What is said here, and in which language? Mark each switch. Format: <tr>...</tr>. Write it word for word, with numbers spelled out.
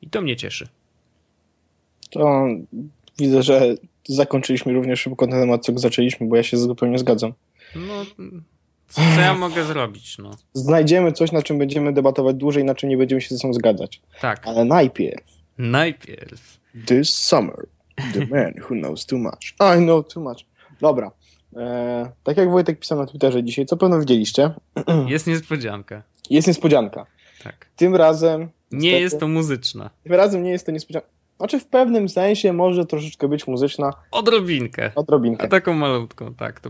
<pl>I to mnie cieszy. To widzę, że zakończyliśmy równie szybko ten temat, co zaczęliśmy, bo ja się zupełnie zgadzam. No, co, co ja mogę zrobić? No? Znajdziemy coś, na czym będziemy debatować dłużej, na czym nie będziemy się ze sobą zgadzać. Tak. Ale najpierw. Najpierw.</pl> <en>This summer, the man who knows too much. I know too much.</en> <pl>Dobra. Eee, tak jak Wojtek pisał na Twitterze dzisiaj, co pewno widzieliście. Jest niespodzianka. Jest niespodzianka. Tak. Tym razem... Nie niestety, jest to muzyczna. Tym razem nie jest to niespodzianka. Znaczy w pewnym sensie może troszeczkę być muzyczna. Odrobinkę. Odrobinkę. A taką malutką, tak, to</pl>